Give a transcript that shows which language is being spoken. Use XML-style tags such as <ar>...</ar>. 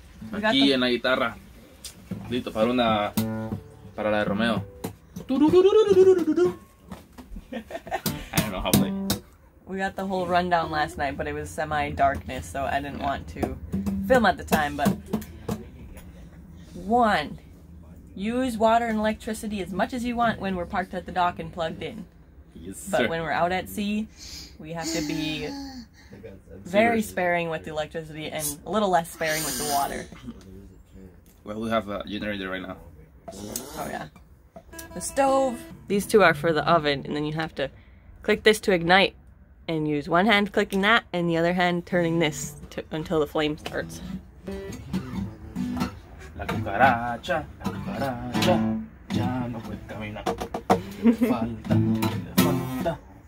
<es>Aquí en la guitarra, listo para una, para la de Romeo.</es> <en>I don't know how to play. We got the whole rundown last night, but it was semi-darkness, so I didn't want to film at the time, but... One, use water and electricity as much as you want when we're parked at the dock and plugged in. Yes, sir. But when we're out at sea, we have to be... Very sparing with the electricity and a little less sparing with the water. Well, we have a generator right now. Oh yeah. The stove. These two are for the oven, and then you have to click this to ignite and use one hand clicking that and the other hand turning this to, until the flame starts.</en> <es>La cucaracha, la cucaracha, ya no puede caminar.</es>